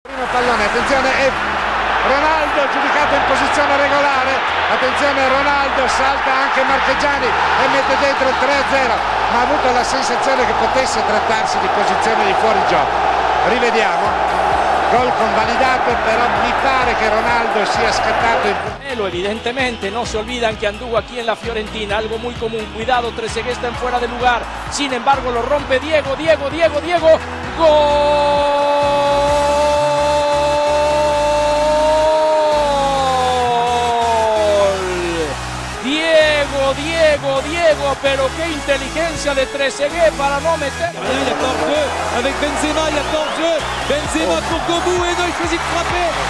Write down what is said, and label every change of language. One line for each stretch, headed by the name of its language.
Italian: pallone, attenzione, e Ronaldo giudicato in posizione regolare, attenzione Ronaldo, salta anche Marchegiani e mette dentro il 3-0, ma ha avuto la sensazione che potesse trattarsi di posizione di fuori gioco. Rivediamo, gol convalidato, però mi pare che Ronaldo sia scattato in...
Spanish: Evidentemente no se olvidan que anduvo aquí en la Fiorentina, algo muy común, cuidado, Trezeguet está en fuera de lugar, sin embargo lo rompe Diego, Diego, Diego, Diego, gol, Diego, Diego, Diego, pero qué inteligencia de Trezeguet para no meter.
French: Avec Benzema, il y a hors-jeu. Benzema pour Gobou, et non, il choisit de frapper.